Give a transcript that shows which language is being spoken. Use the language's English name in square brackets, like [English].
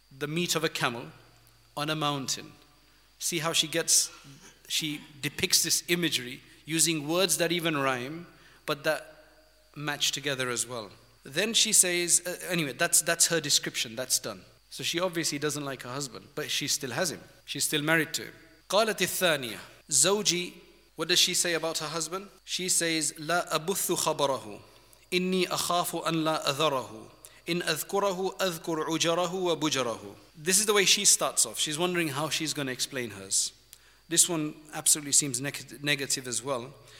[English] The meat of a camel on a mountain. See how she depicts this imagery using words that even rhyme, but that match together as well. Then she says, that's her description, that's done. So she obviously doesn't like her husband, but she still has him. She's still married to him. [Arabic] قالت الثانية زوجي, [English] what does she say about her husband? She says, [Arabic] لا أبث خبره إني أخاف أن لا أذره إن أذكره أذكر عجره وبجره This is the way she starts off. [English] She's wondering how she's going to explain hers. This one absolutely seems negative as well.